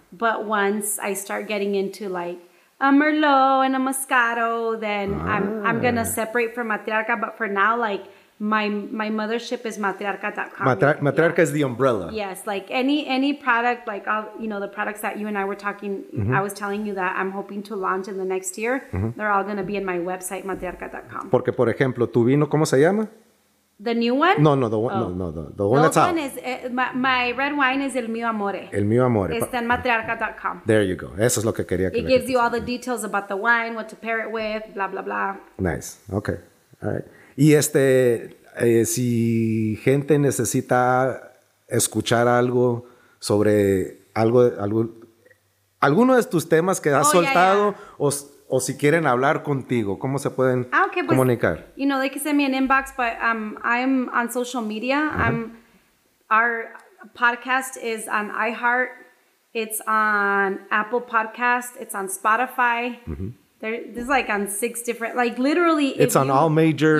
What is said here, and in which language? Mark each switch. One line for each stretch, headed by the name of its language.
English: But once I start getting into like a Merlot and a Moscato, then I'm going to separate from Matriarca. But for now, like my mothership is matriarca.com. Matriarca is the umbrella. Yes. Like any product, like all, you know, the products that you and I were talking, mm-hmm. I was telling you that I'm hoping to launch in the next year. Mm-hmm. They're all going to be in my website, matriarca.com.
Spanish: Porque, por ejemplo, tu vino, ¿cómo se llama?
English: The new one? No, the one that's out. My red wine is El Mio Amore. El Mio Amore. It's in matriarca.com. There you go.
Spanish: Eso es lo que quería.
English: It gives you all the details about the wine, what to pair it with, blah, blah, blah. Nice. Okay. All right.
Spanish: Y si gente necesita escuchar algo sobre alguno de tus temas que has soltado, o si quieren hablar contigo, ¿cómo se pueden comunicar?
English: You know, they can send me an inbox, but I'm on social media. Uh-huh. Our podcast is on iHeart. It's on Apple Podcast. It's on Spotify. Uh-huh. There's like on six different, like literally. It's on all major.